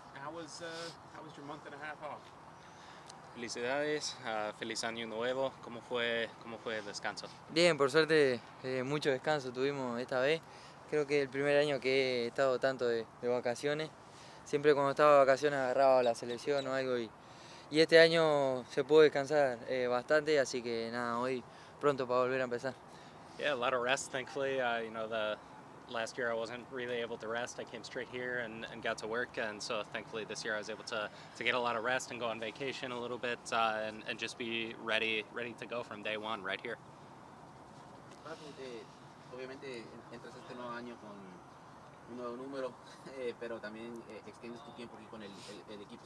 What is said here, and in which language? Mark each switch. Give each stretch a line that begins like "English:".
English: How was your month and a half off?
Spanish: Felicidades, feliz año nuevo. ¿Cómo fue el descanso? Bien, por suerte, mucho descanso tuvimos esta vez. Creo que es el primer año que he estado tanto de vacaciones. Siempre cuando estaba de vacaciones agarraba la selección o algo y este año se pudo descansar bastante, así que nada, hoy pronto para volver a empezar.
English: Yeah, a lot of rest, thankfully. Last year I wasn't really able to rest. I came straight here and got to work, and so thankfully this year I was able to get a lot of rest and go on vacation a little bit and just be ready to go from day one right here.
Spanish: Obviamente entras este nuevo año con un nuevo número, pero también extiendes tu tiempo aquí con el equipo.